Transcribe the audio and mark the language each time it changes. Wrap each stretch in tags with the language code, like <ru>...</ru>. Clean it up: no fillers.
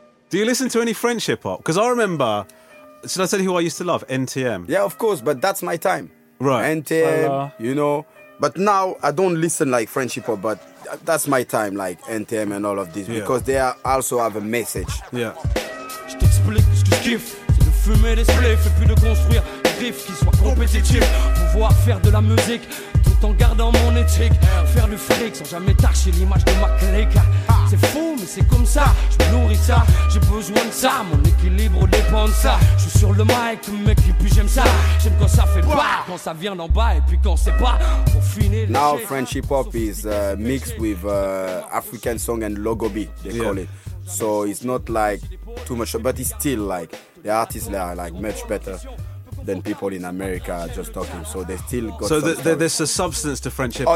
<en>Do you listen to any French hip hop? Because I remember, should I tell you who I used to love? NTM. Yeah, of course, but that's my time. Right. NTM, you know. But now I don't listen like French hip hop, but that's my time, like NTM and all of this, because they also have a message. Yeah.</en> <fr>Je t'explique ce que je kiffe, c'est de fumer des spliffs et puis de construire des riffs qui soient compétitifs. Pouvoir faire de la musique tout en gardant mon éthique. Faire du fric sans jamais tâcher l'image de ma clique. C'est fou, mais c'est comme ça, je me nourris de ça, j'ai besoin de ça, mon équilibre dépend de ça. Je suis sur le mic, mec, et puis j'aime ça. J'aime quand ça fait pas, quand ça vient d'en bas, et puis quand c'est pas, pour finir.</fr> <en>Now, French hip hop is mixed with African song and logo beat, they call it. So it's not like too much, but it's still like the artists are like much better than people in America just talking. So they still got. So there's a substance to French hip-hop.</en>